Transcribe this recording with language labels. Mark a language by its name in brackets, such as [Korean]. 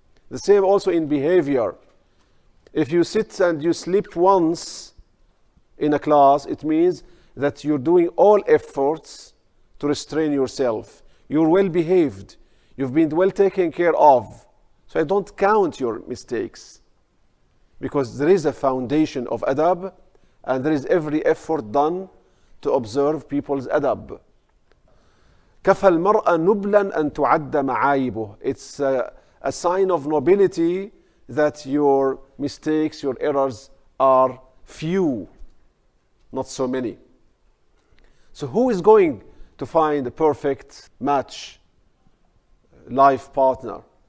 [English] The same also in behavior. If you sit and you sleep once in a class, it means that you're doing all efforts to restrain yourself. You're well behaved. You've been well taken care of. So I don't count your mistakes, because there is a foundation of adab and there is every effort done to observe people's adab. [Arabic] كَفَى الْمَرْأَ نُبْلًا أَن تُعَدَّ مَعَايِبُهُ. [English] It's a sign of nobility that your mistakes, your errors are few, not so many. So who is going to find a perfect match, life partner?